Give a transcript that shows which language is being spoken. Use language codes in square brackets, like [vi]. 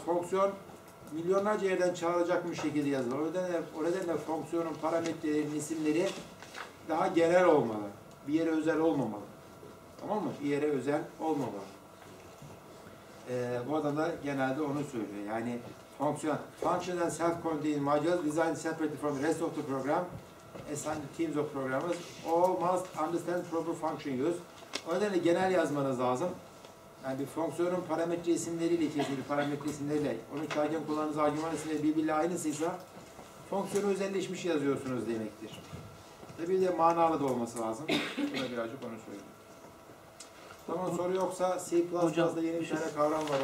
[tr] Fonksiyon milyonlarca yerden çağrılacakmış şekilde yazılır. O nedenle fonksiyonun parametrelerinin isimleri daha genel olmalı. Bir yere özel olmamalı. Tamam mı? Bir yere özel olmamalı. Bu adam da genelde onu söylüyor. [en] Yani function and self-contained modules designed separately from the rest of the program assigned teams of programmers all must understand proper function use. [tr] O nedenle genel yazmanız lazım. Yani bir fonksiyonun parametre isimleriyle kesinlikle parametre isimleriyle onu çağırken kullandığınız argüman isimleri birbiriyle aynısıysa fonksiyonu özelleşmiş yazıyorsunuz demektir. Bir de manalı da olması lazım. Buna birazcık onu söyleyeyim. Tamam, soru yoksa C++'da yeni bir tane kavram var.